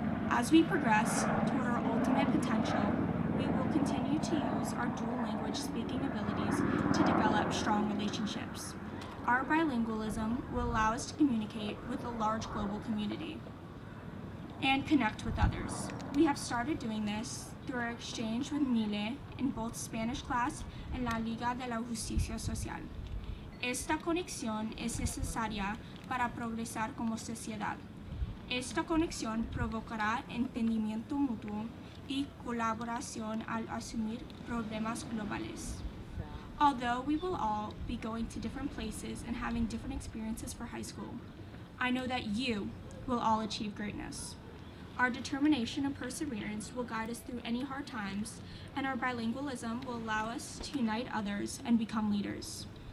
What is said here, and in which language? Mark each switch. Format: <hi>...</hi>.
<en>As we progress toward our ultimate potential, we will continue to use our dual language speaking abilities to develop strong relationships. Our bilingualism will allow us to communicate with a large global community and connect with others. We have started doing this through our exchange with Mile in both Spanish class and La Liga de la Justicia Social.</en> <es>Esta conexión es necesaria para progresar como sociedad. Esta conexión provocará entendimiento mutuo y colaboración al asumir problemas globales.</es> <en>Although we will all be going to different places and having different experiences for high school, I know that you will all achieve greatness. Our determination and perseverance will guide us through any hard times, and our bilingualism will allow us to unite others and become leaders.</en>